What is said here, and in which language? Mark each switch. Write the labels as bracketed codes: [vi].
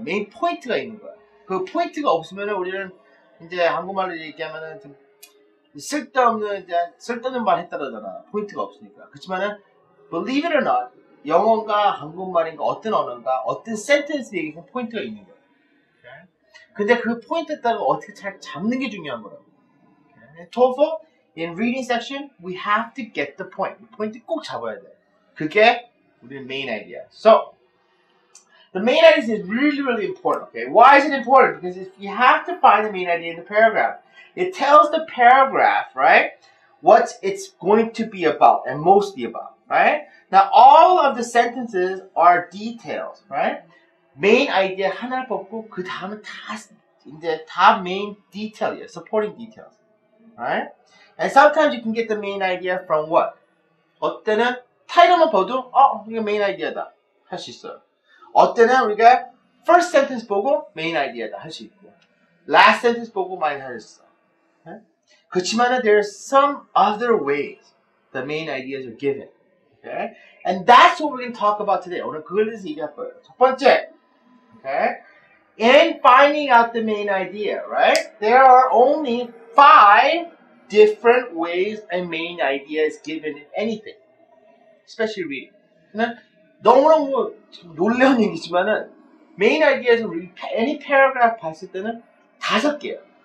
[ko] 메인 포인트가 있는 거야. 그 포인트가 없으면 우리는 이제 한국말로 얘기하면은 좀 쓸데없는 이제 쓸데없는 말 했다라잖아. 포인트가 없으니까. 그렇지만은 [en] believe it or not, [ko] 영어인가 한국말인가 어떤 언어인가 어떤 sentence 얘기하면 포인트가 있는 거야. 근데 그 포인트 따라 어떻게 잘 잡는 게 중요한 거라고. [en] TOEFL, in reading section, we have to get the point. [ko] 포인트 꼭 잡아야 돼. 그게 우리 main idea. [en] So, the main idea is really, really important, okay? Why is it important? Because if you have to find the main idea in the paragraph. It tells the paragraph, right, what it's going to be about and mostly about, right? Now, all of the sentences are details, right? [ko] Main idea 하나를 뽑고 그 다음은 다 main detail이에요, [en] supporting details, right? And sometimes you can get the main idea from what? [ko] 어때는 title만 봐도 이게 main idea다 할 수 있어요. 어때는 우리가 [en] first sentence [ko] 보고 main idea다 할 수 있고 [en] last sentence [ko] 보고 많이 할 수 있어. 그렇지만 [en] there are some other ways the main ideas are given. Okay? And that's what we're going to talk about today. [ko] 오늘 그걸로 얘기할 거예요. 첫 번째, [en] okay? In finding out the main idea, right? There are only five different ways a main idea is given in anything. Especially reading. [ko] 너무너무 놀라운 얘기지만은 메인 아이디어에서 [en] any paragraph [ko] 봤을 때는 다섯 개예요.